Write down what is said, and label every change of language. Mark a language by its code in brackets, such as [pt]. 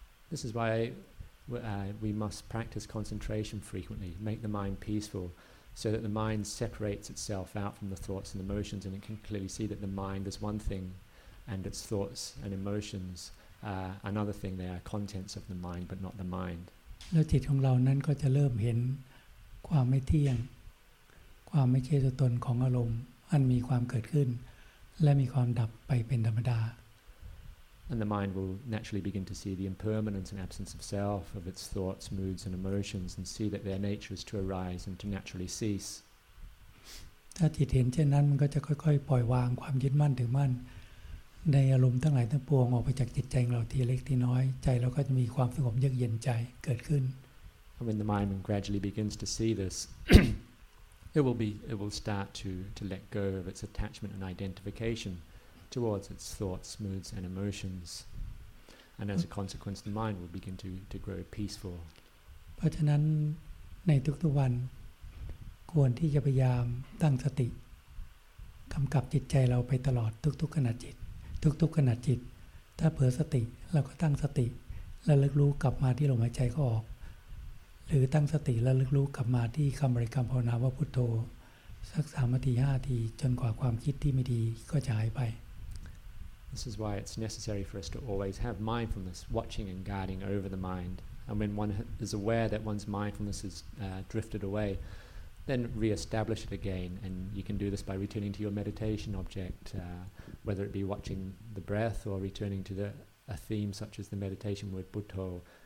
[en] This is why we must practice concentration frequently, make the mind peaceful. So that the mind separates itself out from the thoughts and emotions, and it can clearly see that the mind is one thing, and its thoughts and emotions are another thing. They are contents of the mind, but not the mind. [th] แล้วจิตของเรานั้นก็จะเริ่มเห็นความไม่เที่ยงความไม่ใช่ตัวตนของอารมณ์อันมีความเกิดขึ้นและมีความดับไปเป็นธรรมดา [en] And the mind will naturally begin to see the impermanence and absence of self, of its thoughts, moods, and emotions, and see that their nature is to arise and to naturally cease. [th] ถ้าจิตเห็นเช่นนั้นมันก็จะค่อยๆปล่อยวางความยึดมั่นถือมั่นในอารมณ์ทั้งหลายทั้งปวงออกไปจากจิตใจของเราทีเล็กทีน้อยใจเราก็จะมีความสงบเยือกเย็นใจเกิดขึ้น [en] And when the mind gradually begins to see this, it will start to let go of its attachment and identification. Towards its thoughts, moods, and emotions, and as a consequence, the mind will begin to grow peaceful. [th] เพราะฉะนั้นในทุกๆวันควรที่จะพยายามตั้งสติกำกับจิตใจเราไปตลอดทุกๆขณะจิตทุกๆขณะจิตถ้าเผลอสติเราก็ตั้งสติระลึกรู้กลับมาที่ลมหายใจเข้าออกหรือตั้งสติระลึกรู้กลับมาที่คำบริกรรมภาวนาว่าพุทโธสักสามนาทีห้านาทีจนกว่าความคิดที่ไม่ดีก็จะหายไป [en] This is why it's necessary for us to always have mindfulness, watching and guarding over the mind. And when one is aware that one's mindfulness has drifted away, then re-establish it again. And you can do this by returning to your meditation object, whether it be watching the breath or returning to a theme such as the meditation word Buddho.